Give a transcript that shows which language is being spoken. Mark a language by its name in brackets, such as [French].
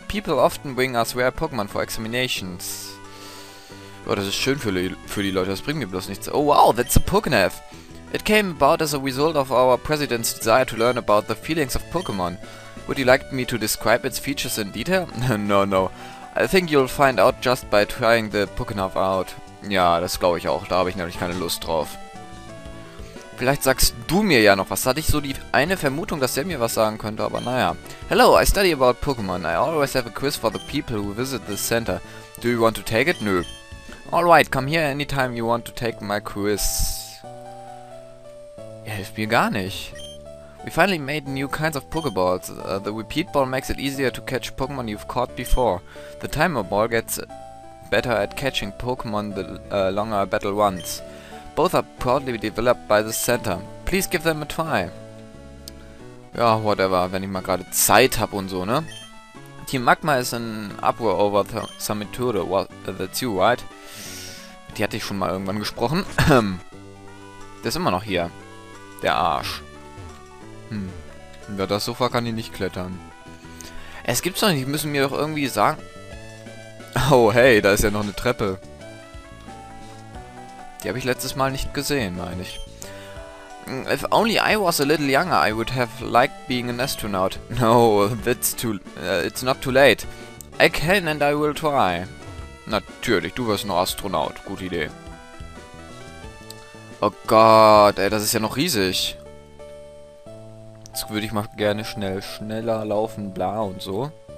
[English] People often bring us rare Pokémon for examinations. [German] Oh, das ist schön für die Leute. Das bringt mir bloß nichts. [English] Oh wow, that's a Pokénav. It came about as a result of our president's desire to learn about the feelings of Pokémon. Would you like me to describe its features in detail? No. I think you'll find out just by trying the Pokénav out. [German] Ja, das glaube ich auch. Da habe ich nämlich keine Lust drauf. Vielleicht sagst du mir ja noch was. Hatte ich so die eine Vermutung, dass der mir was sagen könnte, aber naja. [English] Hello, I study about Pokémon. I always have a quiz for the people who visit the center. Do you want to take it? Nö. Alright, come here anytime you want to take my quiz. [German] Ihr helft mir gar nicht. [English] We finally made new kinds of Pokéballs. The repeat ball makes it easier to catch Pokémon you've caught before. The timer ball gets better at catching Pokémon the longer a battle runs. Both are proudly developed by the center. Please give them a try. [German] Ja, whatever, wenn ich mal gerade Zeit habe und so, ne? [English] Team Magma ist in uproar over Summiture. That's you, right? [German] Die hatte ich schon mal irgendwann gesprochen. Der ist immer noch hier. Der Arsch. Ja, das Sofa kann ich nicht klettern. Es gibt's doch nicht, die müssen mir doch irgendwie sagen. Oh, hey, da ist ja noch eine Treppe. Die habe ich letztes Mal nicht gesehen, meine ich. [English] If only I was a little younger, I would have liked being an astronaut. No, that's too... it's not too late. I can and I will try. [German] Natürlich, du wirst noch Astronaut. Gute Idee. Oh Gott, ey, das ist ja noch riesig. Jetzt würde ich mal gerne schneller laufen, bla und so.